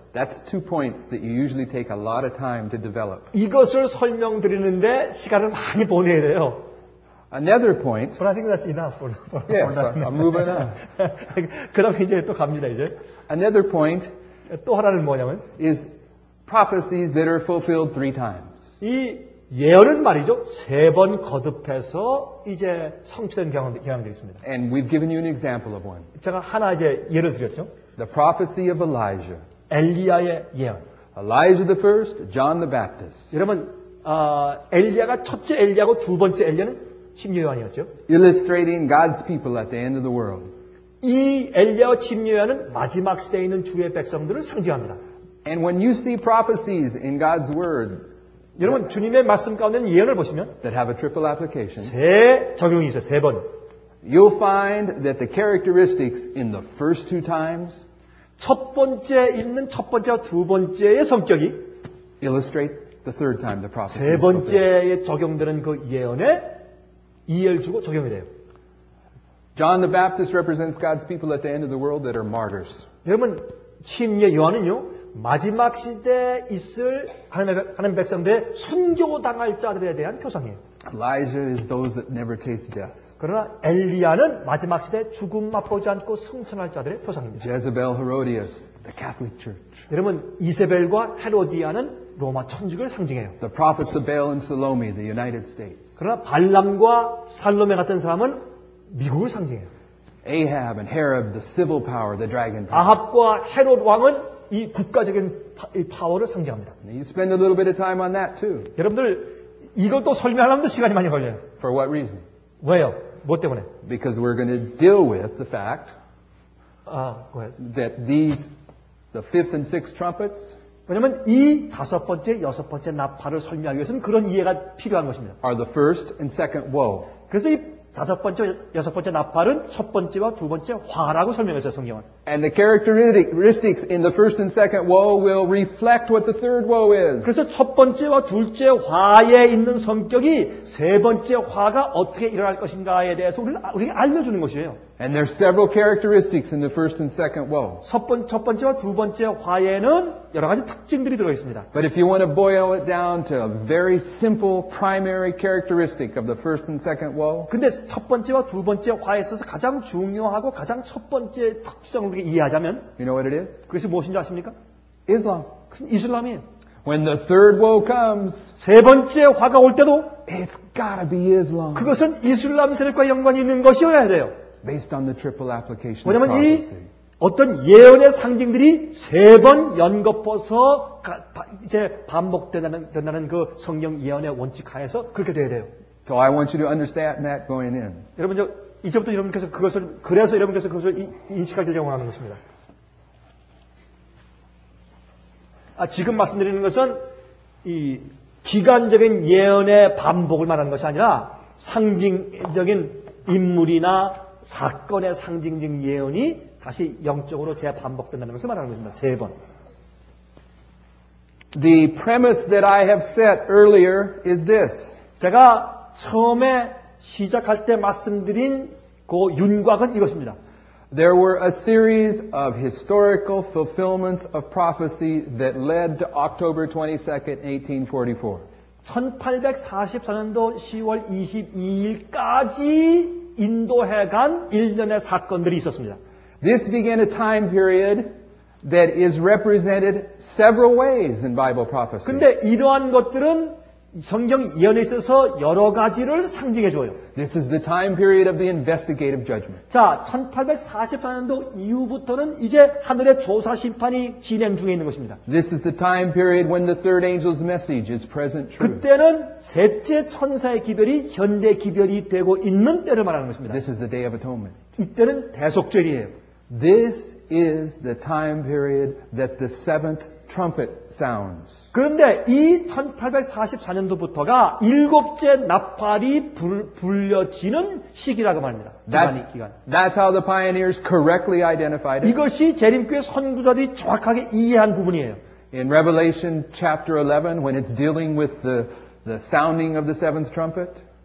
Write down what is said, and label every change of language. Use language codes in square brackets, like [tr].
[en] That's two points that you usually take a lot of time to develop. [ko] 이것을 설명드리는데 시간을 많이 보내야 돼요. [en] Another point. But I think that's enough for now. Yes, I'm moving on. [ko] 그다음 이제 또 갑니다 이제. [en] Another point. [ko] 또 하나는 뭐냐면 [en] is prophecies that are fulfilled three times. [ko] 이 예언은 말이죠 세 번 거듭해서 이제 성취된 경향들이 있습니다. [en] And we've given you an example of one. [ko] 제가 하나 이제 예를 드렸죠. [en] The prophecy of Elijah. [ko] 엘리야의 예언. [en] Elijah the first, John the Baptist. [ko] 여러분 엘리야가 첫째 엘리야고 두 번째 엘리야는 침례요한이었죠. [en] Illustrating God's people at the end of the world. [ko] 이 엘리야와 침례요한은 마지막 시대에 있는 주의 백성들을 상징합니다. [en] And when you see prophecies in God's word, [ko] 여러분 주님의 말씀 가운데 예언을 보시면 [en] that have a triple application. [ko] 세 적용이 있어요. 세 번. [en] You'll find that the characteristics in the first two times [ko] 첫 번째 있는 첫 번째와 두 번째의 성격이 [en] illustrate the third time the prophecy. [ko] 세 번째에 적용되는 그 예언에 이해를 주고 적용이 돼요. [en] John the Baptist represents God's people at the end of the world that are martyrs. [ko] 여러분, 침례 요한은요 마지막 시대에 있을 하나님 백성들의 순교당할 자들에 대한 표상이에요. [en] Elijah is those that never taste death. [ko] 그러나 엘리야는 마지막 시대 죽음 맛보지 않고 승천할 자들의 표상입니다. [en] Jezebel, Herodias, the Catholic Church. [ko] 여러분, 이세벨과 헤로디아는 로마 천주교를 상징해요. [en] The prophets of Baal and Salome, the United States. [ko] 그러나 발람과 살롬에 같은 사람은 미국을 상징해요. [en] Ahab and Herod, the civil power, the dragon power. [ko] 아합과 헤롯 왕은 이 국가적인 파워를 상징합니다. [en] You spend a little bit of time on that too. [ko] 여러분들 이것도 설명하려면 시간이 많이 걸려요. [en] For what reason? [ko] 왜요? 뭐 때문에? [en] Because we're going to deal with the fact that the fifth and sixth trumpets. [ko] 왜냐면 이 다섯 번째, 여섯 번째 나팔을 설명하기 위해서는 그런 이해가 필요한 것입니다. [en] Are the first and second woe. [ko] 그래서 이 다섯 번째, 여섯 번째 나팔은 첫 번째와 두 번째 화라고 설명했어요, 성경은. [en] And the characteristics in the first and second woe will reflect what the third woe is. [ko] 그래서 첫 번째와 둘째 화에 있는 성격이 세 번째 화가 어떻게 일어날 것인가에 대해서 우리에게 알려주는 것이에요. [en] And there are several characteristics in the first and second woe. [ko] 첫 번째와 두 번째 화에는 여러 가지 특징들이 들어 있습니다. [en] But if you want to boil it down to a very simple primary characteristic of the first and second woe. [ko] 근데 첫 번째와 두 번째 화에 있어서 가장 중요하고 가장 첫 번째 특성을 우리가 이해하자면 [en] You know what it is? [ko] 그것이 무엇인지 아십니까? [en] Islam. [ko] 그것은 이슬람이에요. [en] When the third woe comes, [ko] 세 번째 화가 올 때도 [en] It's gotta be Islam. [ko] 그것은 이슬람 세력과 연관이 있는 것이어야 돼요. [en] Based on the triple application [ko] 왜냐하면 이 어떤 예언의 상징들이 세 번 연거퍼서 이제 반복된다는 그 성경 예언의 원칙 하에서 그렇게 돼야 돼요. [en] So I want you to understand that going in. [ko] 여러분 이제부터 여러분께서 그것을 그래서 여러분께서 그것을 인식하시려고 하는 것입니다. 아, 지금 말씀드리는 것은 이 기간적인 예언의 반복을 말하는 것이 아니라 상징적인 인물이나 사건의 상징적 예언이 다시 영적으로 재반복된다는 것을 말하는 것입니다. 세 번. [en] The premise that I have set earlier is this. [ko] 제가 처음에 시작할 때 말씀드린 그 윤곽은 이것입니다. [en] There were a series of historical fulfillments of prophecy that led to October 22nd, 1844. [ko] 1844년도 10월 22일까지 인도해 간 일련의 사건들이 있었습니다. [en] This began a time period that is represented several ways in Bible prophecy. [ko] 근데 이러한 것들은 성경 예언에 있어서 여러 가지를 상징해 줘요. [en] This is the time period of the investigative judgment. [ko] 자, 1844년도 이후부터는 이제 하늘의 조사 심판이 진행 중에 있는 것입니다. [en] This is the time period when the third angel's message is present truth. [ko] 그때는 셋째 천사의 기별이 현대 기별이 되고 있는 때를 말하는 것입니다. [en] This is the day of atonement. [ko] 이때는 대속절이에요. [en] This is the time period that the seventh trumpet sounds. [ko] 그런데 이 1844년도부터가 일곱째 나팔이 불려지는 시기라고 말합니다. [en] That's how the pioneers correctly identified it. [ko] 이것이 재림교회 선구자들이 정확하게 이해한 부분이에요. [en] In Revelation chapter 11, when it's dealing with the sounding of the seventh trumpet.